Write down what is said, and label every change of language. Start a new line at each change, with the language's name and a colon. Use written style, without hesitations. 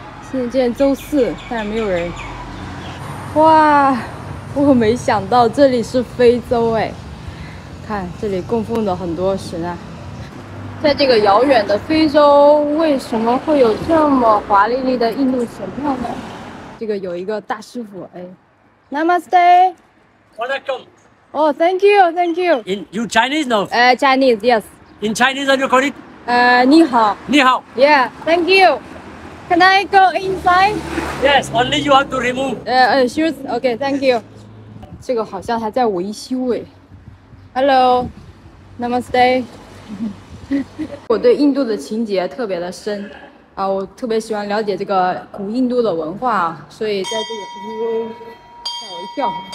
Chinese: 今天周四，但是没有人。哇，我没想到这里是非洲，哎，看这里供奉的很多神啊。在这个遥远的非洲，为什么会有这么华丽丽的印度神庙呢？这个有一个大师傅，哎 ，Namaste，
English: Welcome， Oh， Thank you。 In you Chinese no？ Chinese yes。 In Chinese are you calling？
Chinese: 你好。你好。
English: Yeah， Thank you。 Can I go inside？ Yes， only you have to remove。 Shoes， okay， Thank you。
Chinese: 这个好像还在维修哎。 Hello， Namaste。我对印度的情节特别的深。我特别喜欢了解这个古印度的文化，所以在这里吓我一跳。